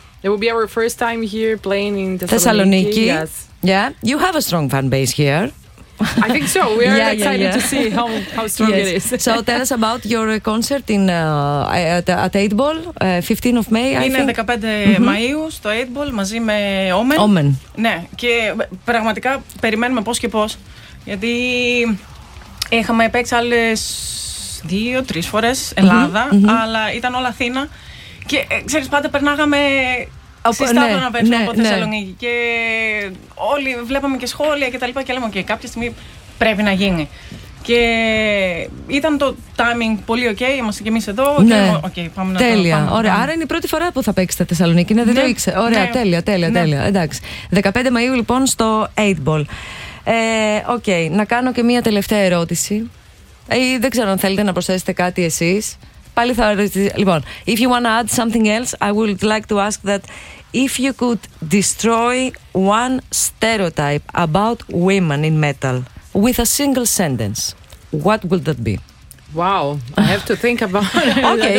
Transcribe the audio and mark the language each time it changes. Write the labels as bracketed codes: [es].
[en] It will be our first time here playing in Thessaloniki. Yes. Yeah. You have a strong fan base here. I think so. We are excited to see how strong it is. So tell us about your concert in at 8 Ball, 15 of May, [el] Είναι 15 Μαΐου στο 8 Ball μαζί με Omen. Omen. Ναι. Και πραγματικά περιμένουμε πώς και πώς. Γιατί είχαμε παίξει άλλες 2-3 φορές Ελλάδα, αλλά ήταν όλα Αθήνα. Και ξέρεις, πάντα περνάγαμε συστάδω να παίξουμε από Θεσσαλονίκη. Και όλοι βλέπαμε και σχόλια και τα λοιπά και λέμε, okay, κάποια στιγμή πρέπει να γίνει. Και ήταν το timing πολύ ok, είμαστε και εμείς εδώ. Ναι. Και okay, πάμε να τέλεια. Πάμε, ωραία. Άρα είναι η πρώτη φορά που θα παίξετε Θεσσαλονίκη, δεν το ήξερα. Ωραία, τέλεια. Εντάξει. 15 Μαΐου λοιπόν στο 8 Ball. Okay, να κάνω και μία τελευταία ερώτηση. Δεν ξέρω αν θέλετε να προσθέσετε κάτι εσείς. Πάλι θα ρωτήσω. Λοιπόν, [en] if you want to add something else, I would like to ask that if you could destroy one stereotype about women in metal with a single sentence, what would that be? Wow, I have to think about it. Okay,